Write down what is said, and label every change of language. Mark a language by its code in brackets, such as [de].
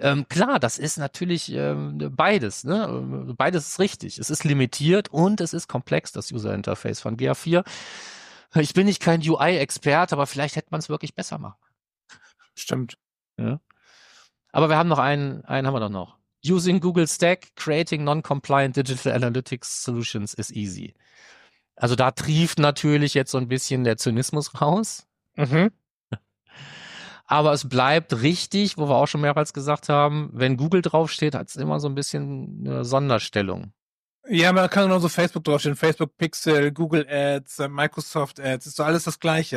[de] Klar, das ist natürlich beides, ne? Beides ist richtig. Es ist limitiert und es ist komplex, das User-Interface von GA4. Ich bin nicht kein UI-Experte, aber vielleicht hätte man es wirklich besser machen. Stimmt. Ja. Aber wir haben noch einen haben wir doch noch. [en] Using Google Stack, creating non-compliant digital analytics solutions is easy. [de] Also da trieft natürlich jetzt so ein bisschen der Zynismus raus. Aber es bleibt richtig, wo wir auch schon mehrmals gesagt haben, wenn Google draufsteht, hat es immer so ein bisschen eine Sonderstellung. Ja, man kann nur so Facebook draufstehen. Facebook Pixel, Google Ads, Microsoft Ads, ist so alles das Gleiche.